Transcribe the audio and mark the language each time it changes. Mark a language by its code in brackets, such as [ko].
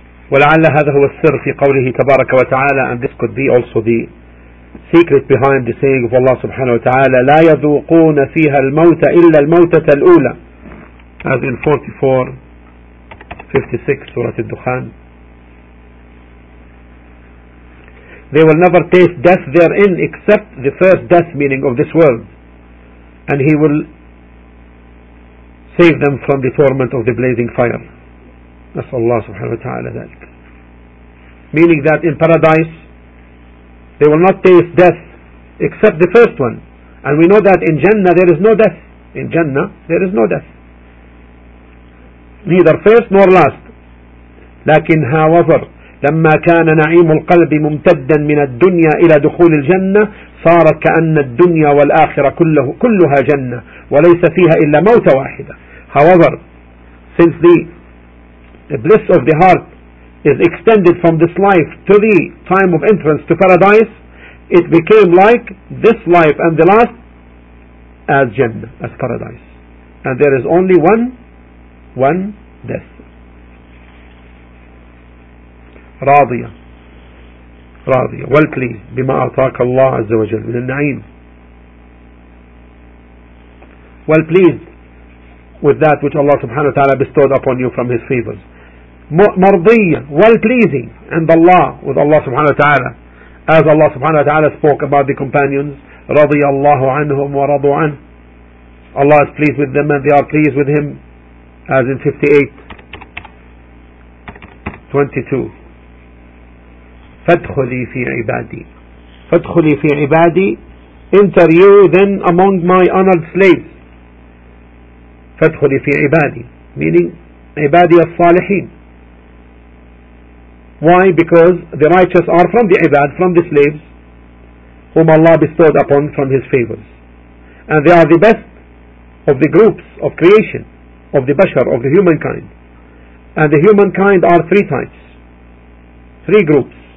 [ar] ولعل هذا هو السر في قوله تبارك وتعالى, [en] and this could be also the secret behind the saying of Allah subhanahu wa ta'ala, [ar] لا يذوقون فيها الموت إلا الموتة الأولى, as in 44:56 سورة الدخان. [en] They will never taste death therein except the first death, meaning of this world, and he will save them from the torment of the blazing fire. [ar] نسأل الله سبحانه وتعالى ذلك. [en] Meaning that in paradise they will not taste death except the first one. And we know that in Jannah there is no death. In Jannah there is no death, neither first nor last. [ar] لكن however لما كان نعيم القلب ممتدا من الدنيا إلى دخول الجنة صار كأن الدنيا والآخرة كلها جنة وليس فيها إلا موت واحدة. [en] However, since the bliss of the heart is extended from this life to the time of entrance to paradise, it became like this life and the last as Jannah, as paradise. And there is only one death. [ar] راضية راضية والكلي بما أعطاك الله عز وجل من النعيم. [en] Well pleased with that which Allah subhanahu wa ta'ala bestowed upon you from his favors. مرضية, well pleasing, and Allah, with Allah subhanahu wa ta'ala, as Allah subhanahu wa ta'ala spoke about the companions, [ar] رضي الله عنهم ورضوا عنه. [en] Allah is pleased with them and they are pleased with him, as in 58:22. [ar] فادخلي في عبادي. فادخلي في عبادي, [en] enter you then among my honored slaves. [ar] فادخلي في عبادي, meaning عبادي الصالحين. [en] Why? Because the righteous are from the ibad, from the slaves, whom Allah bestowed upon from his favors. And they are the best of the groups of creation, of the bashar, of the humankind. and the humankind are three types, three groups.